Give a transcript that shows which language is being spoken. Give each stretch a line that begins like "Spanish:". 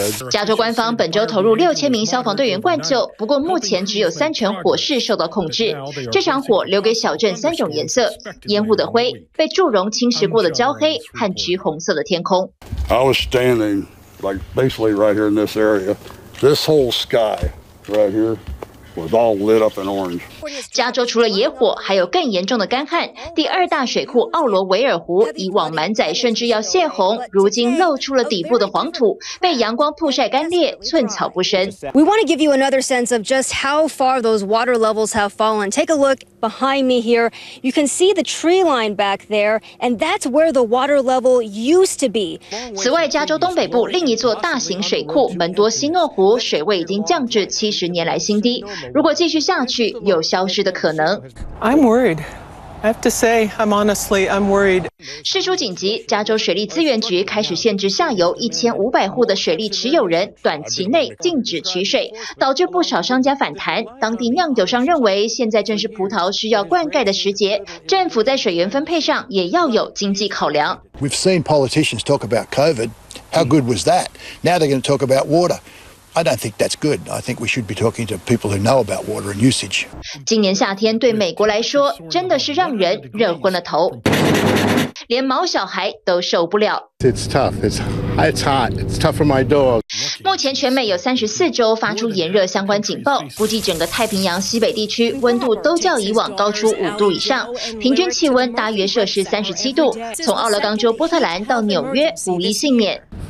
Chinese: 加州官方本周投入6000名消防队员灌救，不过目前只有30%火势受到控制。这场火留给小镇3种颜色：烟雾的灰、被祝融侵蚀过的焦黑和橘红色的天空。
English: I was standing like basically right here in this area. This whole sky right here. Was all lit up in orange.
Chinese: 加州除了野火，还有更严重的干旱。第二大水库奥罗维尔湖以往满载甚至要泄洪，如今露出了底部的黄土，被阳光曝晒干裂，寸草不生。
English: We want to give you another sense of just how far those water levels have fallen. Take a look behind me here. You can see the tree line back there, and that's where the water level used to be.
Chinese: 此外，加州东北部另一座大型水库门多西诺湖水位已经降至70年来新低。如果继续下去，有消失的可能。
English: I'm worried. I have to say, I'm honestly, I'm worried.
Chinese: 事出紧急，加州水利资源局开始限制下游1500户的水利持有人短期内禁止取水，导致不少商家反弹。当地酿酒商认为，现在正是葡萄需要灌溉的时节，政府在水源分配上也要有经济考量。
English: We've seen politicians talk about COVID. How good was that? Now they're going to talk about water. I don't think that's good. I think we should be talking to people who know about water and usage.
Chinese: 今年夏天对美国来说真的是让人热昏了头，连毛小孩都受不了。
English: It's tough. It's hot. It's tough for my dog.
Chinese: 目前全美有34州发出炎热相关警报，估计整个太平洋西北地区温度都较以往高出5度以上，平均气温大约摄氏37度。从奥勒冈州波特兰到纽约，无一幸免。